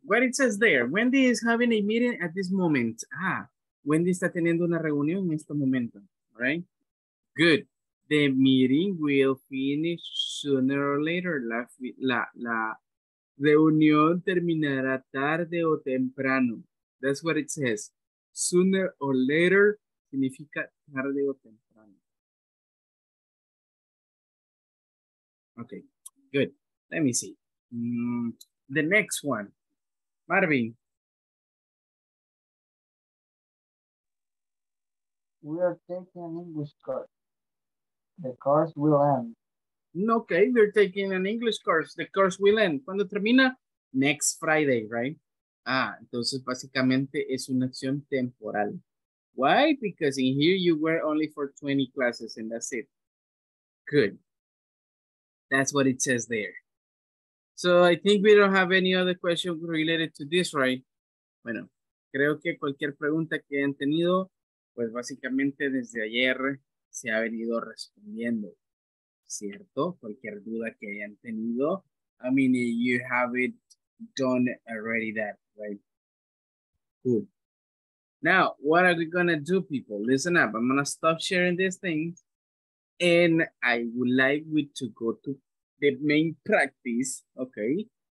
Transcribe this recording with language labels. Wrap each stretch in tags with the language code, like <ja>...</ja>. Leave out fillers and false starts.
<en>What it says there, Wendy is having a meeting at this moment.</en> <es>Ah, Wendy está teniendo una reunión en este momento, right?</es> <en>Good. The meeting will finish sooner or later.</en> <es>La reunión terminará tarde o temprano.</es> <en>That's what it says. Sooner or later</en> <es>significa tarde o temprano.</es> <en>Okay, good. Let me see. The next one. Marvin. We are taking an English course. The course will end. Okay, they're taking an English course. The course will end.</en> <es>¿Cuándo termina?</es> <en>Next Friday, right?</en> <es>Ah, entonces básicamente es una acción temporal.</es> <en>Why? Because in here you were only for 20 classes and that's it. Good. That's what it says there. So I think we don't have any other question related to this, right?</en> <es>Bueno, creo que cualquier pregunta que hayan tenido, pues básicamente desde ayer se ha venido respondiendo, ¿cierto? Cualquier duda que hayan tenido,</es> <en>I mean, you have it done already that, right? Good. Now, what are we gonna do, people? Listen up, I'm gonna stop sharing these things and I would like we to go to the main practice, okay?</en>